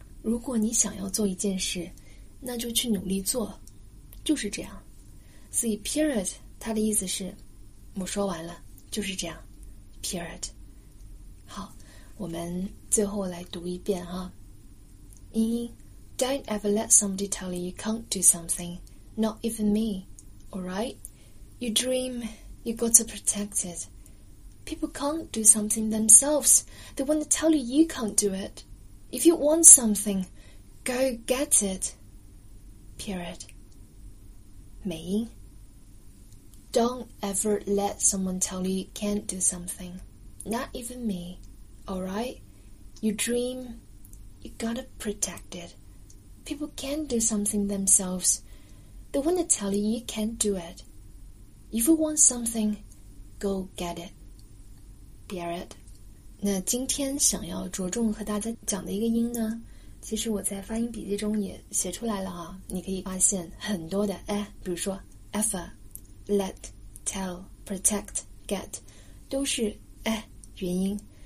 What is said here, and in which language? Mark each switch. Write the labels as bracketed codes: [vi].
[zh] 如果你想要做一件事，那就去努力做。就是这样，所以 period 它的意思是我说完了，就是这样 period。好，我们最后来读一遍哈。 [en] Don't ever let somebody tell you you can't do something, not even me, alright? You dream, you got to protect it. People can't do something themselves. They want to tell you you can't do it. If you want something, go get it. Period. [zh] 美音 [en] Don't ever let someone tell you you can't do something, not even me. All right? You dream, you gotta protect it. People can't do something themselves. They wanna tell you you can't do it. If you want something, go get it. Barrett. [zh] 那今天想要着重和大家讲的一个音呢，其实我在发音笔记中也写出来了啊。你可以发现很多的哎，比如说 ,ever, let, tell, protect, get, 都是哎元音。